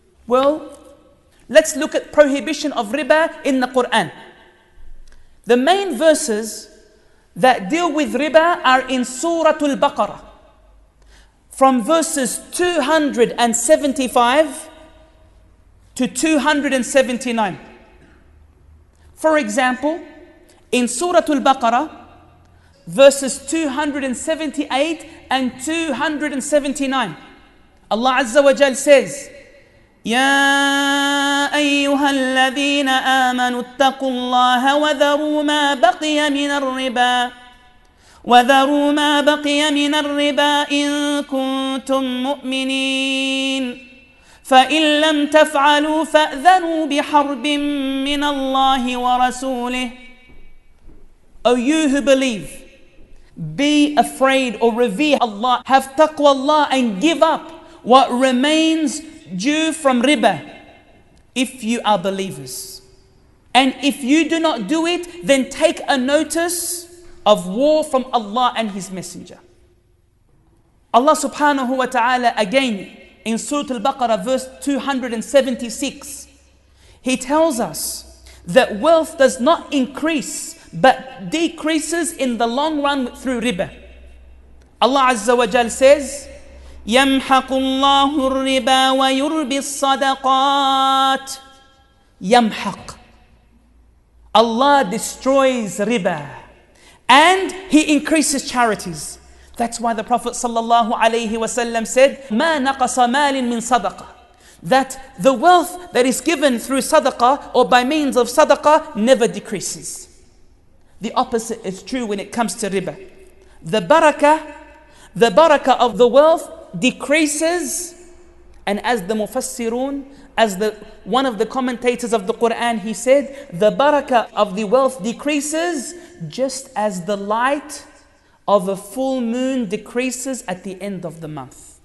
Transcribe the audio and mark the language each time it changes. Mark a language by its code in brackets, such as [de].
[en] Well, let's look at prohibition of riba in the Quran. The main verses that deal with riba are in Surah Al-Baqarah, from verses 275 to 279. For example, in Surah Al-Baqarah, verses 278 and 279, Allah Azza wa Jal says, [ar] يا أيها الذين آمنوا اتقوا الله وذروا ما بقي من الربا وذروا ما بقي من الربا إن كنتم مؤمنين فإن لم تفعلوا فأذنوا بحرب من الله ورسوله. [en] O you who believe, be afraid or revere Allah, have taqwa Allah, and give up what remains due from riba if you are believers. And if you do not do it, then take a notice of war from Allah and His Messenger. Allah subhanahu wa ta'ala again in Surah Al-Baqarah verse 276, He tells us that wealth does not increase but decreases in the long run through riba. Allah Azza wa Jal says, [ar] يَمْحَقُ اللَّهُ الرِّبَى وَيُرْبِي الصَّدَقَاتِ. يَمْحَق. [en] Allah destroys riba and He increases charities. That's why the Prophet ﷺ said, [ar] مَا نَقَصَ مَالٍ مِّن صَدَقَةٍ. [en] that the wealth that is given through sadaqah or by means of sadaqah never decreases. The opposite is true when it comes to riba. The barakah of the wealth decreases, and as the mufassirun, one of the commentators of the Quran, he said, the barakah of the wealth decreases just as the light of a full moon decreases at the end of the month.